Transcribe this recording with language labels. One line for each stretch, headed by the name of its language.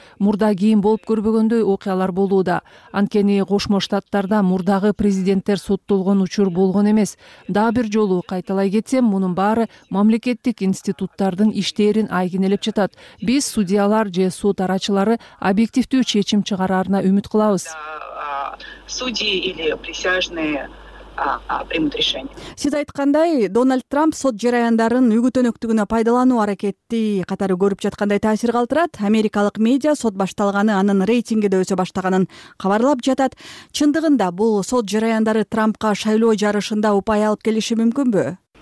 Kyrgyz: Мурда кийин болуп көрбөгөндөй окуялар болууда. Анткени Кошмо Штаттарда мурдагы президенттер соттолгон учур болгон эмес. Дагы бир жолу кайталай кетсем, мунун баары мамлекеттик институттардын иштерин айкинелеп жатат. Биз судьялар же сот арачылары объективдүү чечим чыгарарына үмүт кылабыз.
Russian: Судьи или присяжные примут решение.
Kyrgyz: Сиз айткандай, Дональд Трамп сот жараяндарын үгүт-өнөктүгүнө пайдалануу аракети катары көрүп жаткандай таасир калтырат. Америкалык медиа сот башталганы анын рейтинги да өсө баштаганын кабарлап жатат. Чындыгында бул сот жараяндары Трампка шайлоо жарышында упай алып келиши мүмкүнбү?